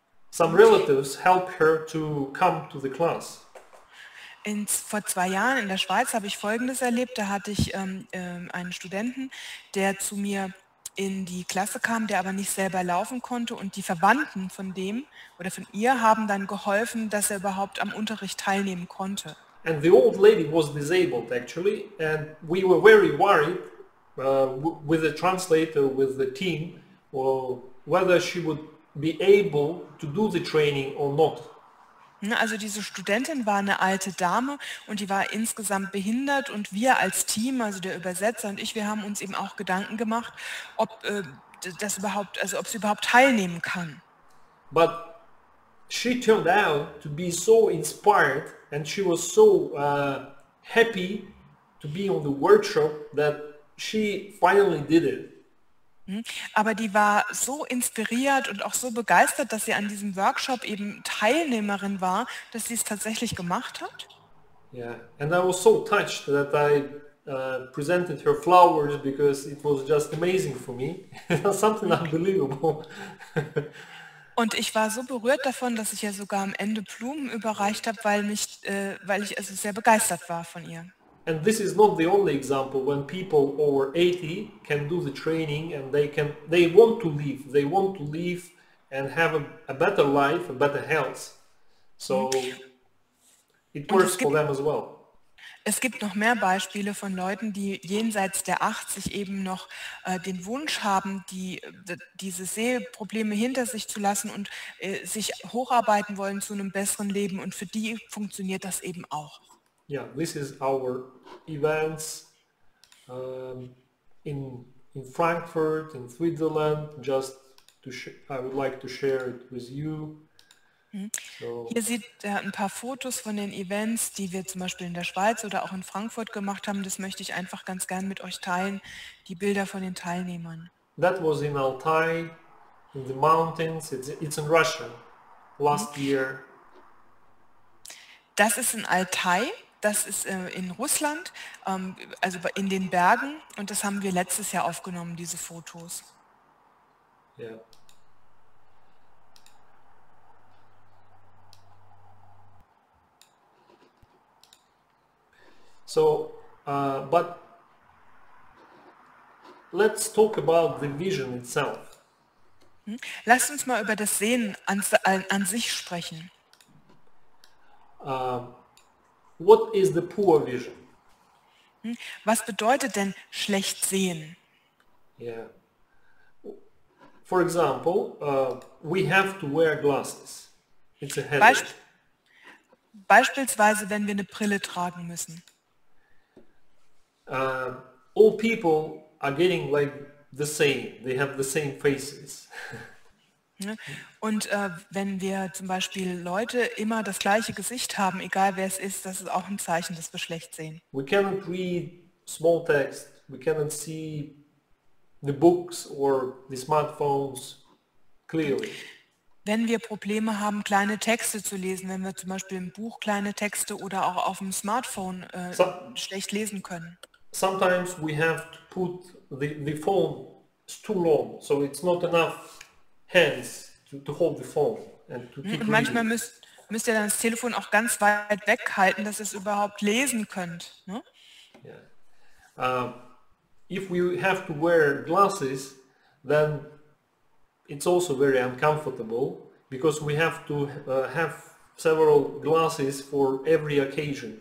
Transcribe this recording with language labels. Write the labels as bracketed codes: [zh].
[en] Some relatives helped her to come to the class. [de] Vor 2 Jahren in der Schweiz habe ich Folgendes erlebt. Da hatte ich einen Studenten, der zu mir in die Klasse kam, der aber nicht selber laufen konnte. Und die Verwandten von dem oder von ihr haben dann geholfen, dass er überhaupt am Unterricht teilnehmen konnte. [en] And the old lady was disabled actually, and we were very worried with the translator, with the team, whether she would be able to do the training or not. [de] Also diese Studentin war eine alte Dame und die war insgesamt behindert und wir als Team, also der Übersetzer und ich, wir haben uns eben auch Gedanken gemacht, ob sie überhaupt teilnehmen kann. [en] But she turned out to be so inspired and she was so happy to be on the workshop that she finally did it. [de] Aber die war so inspiriert und auch so begeistert, dass sie an diesem Workshop eben Teilnehmerin war, dass sie es tatsächlich gemacht hat. [en] Yeah, and I was so touched that I presented her flowers because it was just amazing for me. Something unbelievable. [de] Und ich war so berührt davon, dass ich ihr sogar am Ende Blumen überreicht habe, weil ich also sehr begeistert war von ihr. [en] And this is not the only example when people over 80 can do the training and they want to leave. They want to leave and have a better life, a better health. So it works for them as well. [de] Es gibt noch mehr Beispiele von Leuten, die jenseits der 80 eben noch den Wunsch haben, diese Sehprobleme hinter sich zu lassen und sich hocharbeiten wollen zu einem besseren Leben. Und für die funktioniert das eben auch. [en] Yeah, this is our events in Frankfurt, in Switzerland. Just to I would like to share it with you. [de] Hier sieht er ein paar Fotos von den Events, die wir zum Beispiel in der Schweiz oder auch in Frankfurt gemacht haben. Das möchte ich einfach ganz gern mit euch teilen, die Bilder von den Teilnehmern. [en] That was in Altai, in the mountains, it's in Russia, last year. [de] Das ist in Altai, das ist in Russland, also in den Bergen, und das haben wir letztes Jahr aufgenommen, diese Fotos. [en] Yeah. So, but let's talk about the vision itself. [de] Lass uns mal über das Sehen an sich sprechen. [en] What is the poor vision? [de] Was bedeutet denn schlecht sehen? [en] Yeah. For example, we have to wear glasses. It's a headache. [de] Beispielsweise, wenn wir eine Brille tragen müssen. [en] All people are getting like the same. They have the same faces. [de] Und wenn wir zum Beispiel Leute immer das gleiche Gesicht haben, egal wer es ist, das ist auch ein Zeichen, dass wir schlecht sehen. [en] We cannot read small text. We cannot see the books or the smartphones clearly. [de] Wenn wir Probleme haben, kleine Texte zu lesen, wenn wir zum Beispiel im Buch kleine Texte oder auch auf dem Smartphone schlecht lesen können. [en] Sometimes we have to put the phone is too long, so it's not enough hands to hold the phone and to keep. [de] Und manchmal müsst ihr dann das Telefon auch ganz weit weghalten, dass ihr es überhaupt lesen könnt. Ne? [en] Yeah. If we have to wear glasses, then it's also very uncomfortable because we have to have several glasses for every occasion.